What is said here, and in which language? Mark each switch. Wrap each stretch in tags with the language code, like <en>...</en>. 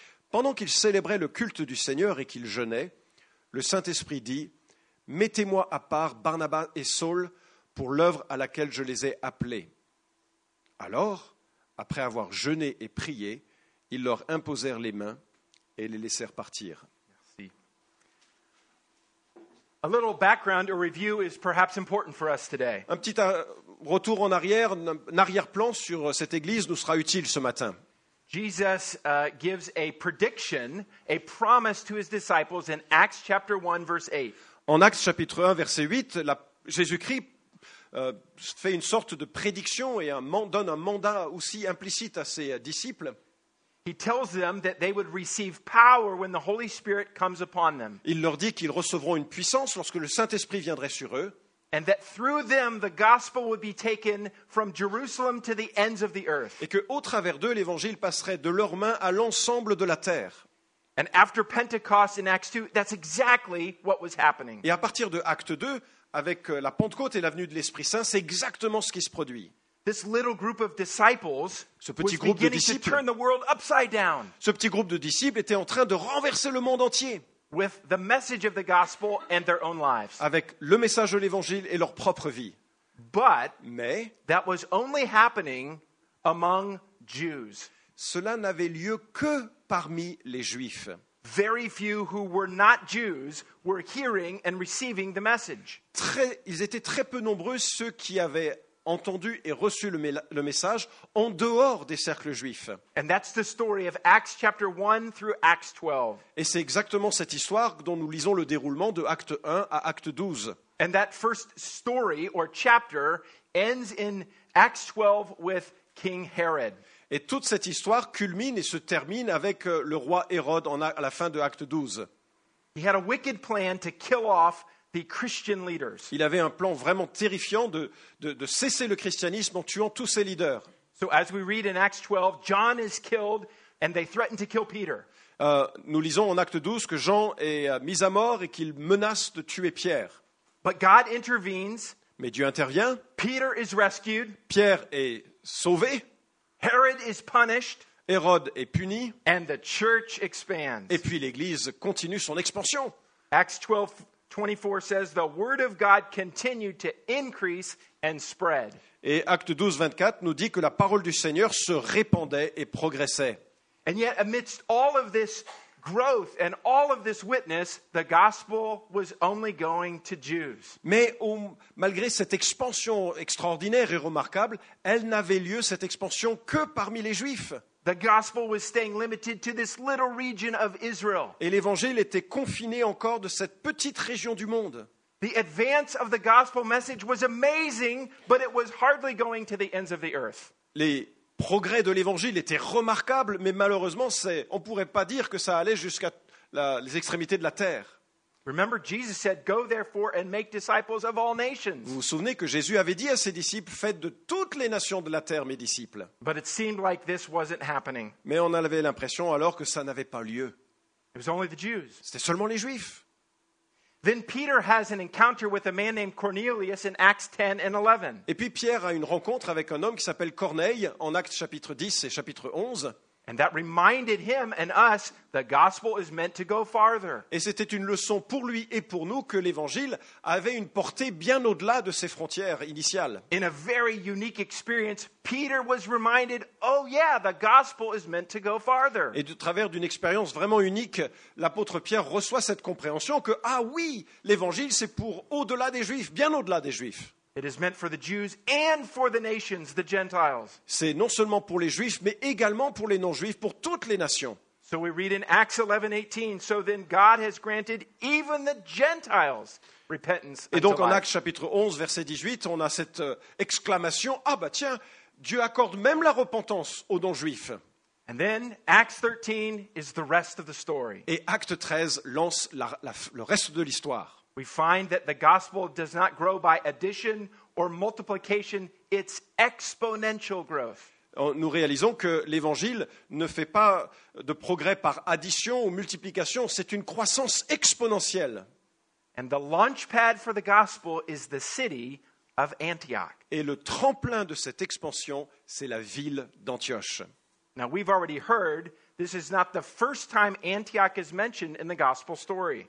<fr>Pendant qu'ils célébraient le culte du Seigneur et qu'ils jeûnaient, le Saint-Esprit dit « Mettez-moi à part Barnabas et Saul pour l'œuvre à laquelle je les ai appelés. » Alors, après avoir jeûné et prié, ils leur imposèrent les mains et les laissèrent partir. Merci.</fr> <en>A little background or review is perhaps important for us today.</en> <fr>Un petit retour en arrière, un arrière-plan sur cette église nous sera utile ce matin.</fr> <en>Jesus gives a prediction, a promise to his disciples in Acts chapter 1, verse 8.</en> <fr>En Actes chapitre 1, verset 8, Jésus-Christ fait une sorte de prédiction et donne un mandat aussi implicite à ses disciples.</fr> <en>He tells them that they would receive power when the Holy Spirit comes upon them.</en> <fr>Il leur dit qu'ils recevront une puissance lorsque le Saint-Esprit viendrait sur eux.</fr> <en>And that through them the gospel would be taken from Jerusalem to the ends of the earth.</en> <fr>Et que au travers d'eux l'évangile passerait de leurs mains à l'ensemble de la terre.</fr> <en>And after Pentecost in Acts 2, that's exactly what was happening.</en> <fr>Et à partir de Acte 2, avec la Pentecôte et l'avenue de l'Esprit Saint, c'est exactement ce qui se produit.</fr> <en>This little group of disciples,</en> <fr>ce petit groupe de disciples,</fr> <en>to turn the world upside down.</en> <fr>Ce petit groupe de disciples était en train de renverser le monde entier.</fr> <en>With the message of the gospel and their own lives.</en> <fr>Avec le message de l'évangile et leur propre vie.</fr> <en>But</en> <fr>mais</fr> <en>that was only happening among Jews.</en> <fr>Cela n'avait lieu que parmi les Juifs.</fr> <en>Very few who were not Jews were hearing and receiving the message.</en> <fr>Ils étaient très peu nombreux ceux qui avaient entendu et reçu le message en dehors des cercles juifs.</fr> <en>And that's the story of Acts chapter 1 through Acts 12.</en> <fr>Et c'est exactement cette histoire dont nous lisons le déroulement de acte 1 à acte 12.</fr> <en>And that first story or chapter ends in Acts 12 with King Herod.</en> <fr>Et toute cette histoire culmine et se termine avec le roi Hérode à la fin de acte 12.</fr> <en>He had a wicked plan to kill off the Christian leaders.</en> <fr>Il avait un plan vraiment terrifiant de cesser le christianisme en tuant tous ses leaders.</fr> <en>So as we read in Acts 12, John is killed and they threaten to kill Peter.</en> <fr>Nous lisons en acte 12 que Jean est mis à mort et qu'il menace de tuer Pierre.</fr> <en>But God intervenes.</en> <fr>Mais Dieu intervient.</fr> <en>Peter is rescued.</en> <fr>Pierre est sauvé.</fr> <en>Herod is punished.</en> <fr>Hérode est puni.</fr> <en>And the church expands.</en> <fr>Et puis l'église continue son expansion.</fr> <en>Acts 12 24 says the word of God continued to increase and spread.</en> <fr>Et acte 12 24 nous dit que la parole du Seigneur se répandait et progressait.</fr> <en>And yet amidst all of this growth and all of this witness, the gospel was only going to Jews.</en> <fr>Mais malgré cette expansion extraordinaire et remarquable, elle n'avait lieu cette expansion que parmi les Juifs.</fr> <en>The gospel was staying limited to this little region of Israel.</en> <fr>Et l'évangile était confiné encore de cette petite région du monde.</fr> <en>The advance of the gospel message was amazing, but it was hardly going to the ends of the earth.</en> <fr>Les progrès de l'évangile étaient remarquables, mais malheureusement, c'est, on ne pourrait pas dire que ça allait jusqu'à la, les extrémités de la terre.</fr> <en>Remember, Jesus said, "Go therefore and make disciples of all nations."</en> <fr>Vous vous souvenez que Jésus avait dit à ses disciples, faites de toutes les nations de la terre mes disciples.</fr> <en>But it seemed like this wasn't happening.</en> <fr>Mais on avait l'impression alors que ça n'avait pas lieu.</fr> <en>It was only the Jews.</en> <fr>C'était seulement les Juifs.</fr> <en>Then Peter has an encounter with a man named Cornelius in Acts 10 and 11.</en> <fr>Et puis Pierre a une rencontre avec un homme qui s'appelle Corneille en Actes chapitre 10 et chapitre 11.</fr> <en>And that reminded him and us the gospel is meant to go farther.</en> <fr>Et c'était une leçon pour lui et pour nous que l'évangile avait une portée bien au-delà de ses frontières initiales.</fr> <en>In a very unique experience, Peter was reminded, "Oh yeah, the gospel is meant to go farther."</en> <fr>Et de travers d'une expérience vraiment unique, l'apôtre Pierre reçoit cette compréhension que ah oui, l'évangile c'est pour au-delà des Juifs, bien au-delà des Juifs.</fr> <en>It is meant for the Jews and for the nations, the Gentiles.</en> <fr>C'est non seulement pour les Juifs, mais également pour les non-Juifs, pour toutes les nations.</fr> <en>So we read in Acts 11:18. So then God has granted even the Gentiles repentance.</en> <fr>Et donc en Actes chapitre 11 verset 18, on a cette exclamation, ah bah tiens, Dieu accorde même la repentance aux non-Juifs.</fr> <en>And then Acts 13 is the rest of the story.</en> <fr>Et Acte 13 lance le reste de l'histoire.</fr> <en>We find that the gospel does not grow by addition or multiplication, it's exponential growth.</en> <fr>Nous réalisons que l'évangile ne fait pas de progrès par addition ou multiplication, c'est une croissance exponentielle.</fr> <en>And the launch pad for the gospel is the city of Antioch.</en> <fr>Et le tremplin de cette expansion, c'est la ville d'Antioche.</fr> <en>Now we've already heard this is not the first time Antioch is mentioned in the gospel story.</en>